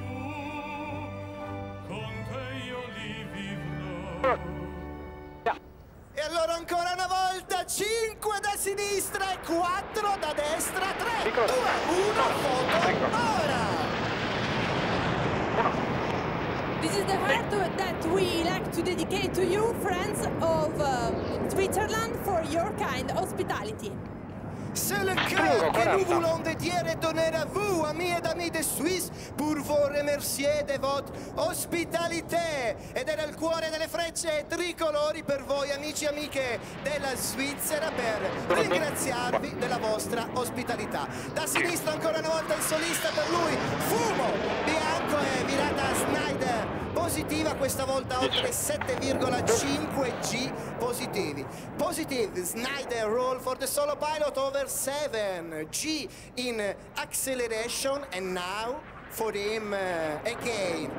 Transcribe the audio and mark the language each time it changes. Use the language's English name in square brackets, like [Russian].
[Italian] Con te io li vivrò. E allora ancora una volta 5 da sinistra e 4 da destra, 3, 2, 1, foto, ora! [English] This is the heart that we like to dedicate to you, friends of Switzerland, for your kind hospitality. [French] C'est le cœur que nous voulons dédier et donner à vous, amis et amis de Suisse, pour vous remercier de votre hospitalité. [Italian] Ed era il cuore delle frecce tricolori per voi, amici e amiche della Svizzera, per ringraziarvi della vostra ospitalità. Da sinistra ancora una volta il solista per lui, fumo bianco e virata Schneider. Positiva questa volta, oltre 7,5 G positivi. [English] Positive, Schneider roll for the solo pilot over 7 G in acceleration and now for him again.